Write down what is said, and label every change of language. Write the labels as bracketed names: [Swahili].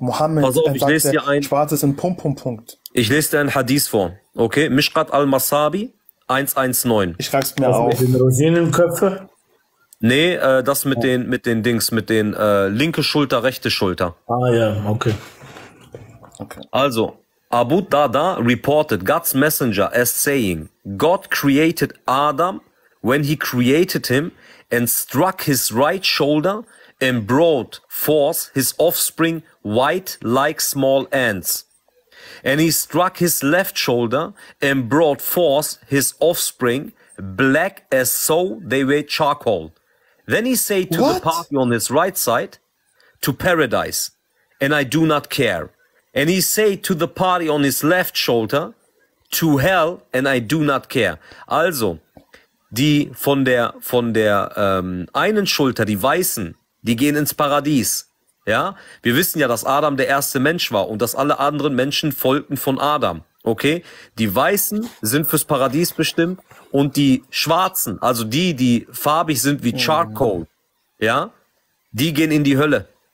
[German] Mohammed, pass auf, ich sagte, lese dir ein, Schwarze sind Pum Pum Punkt. Ich lese dir ein Hadith vor. Okay, Mishkat al-Masabi 119. Ich schreib's mir also auf. Mit den Rosinenköpfe. Nee, das mit den Dings, mit den linke Schulter, rechte Schulter. Ah ja, okay. [English] Also, Abu Darda reported God's messenger as saying, God created Adam when he created him and struck his right shoulder and brought forth his offspring white like small ants. And he struck his left shoulder and brought forth his offspring black as so they were charcoal. Then he said to the party on his right side, to paradise, and I do not care. And he said to the party on his left shoulder, to hell and I do not care. [German] Also, die von der einen Schulter, die Weißen, die gehen ins Paradies. Ja, wir wissen ja, dass Adam der erste Mensch war und dass alle anderen Menschen folgten von Adam. Okay, die Weißen sind fürs Paradies bestimmt und die Schwarzen, also die, die farbig sind wie Charcoal, ja, die gehen in die Hölle.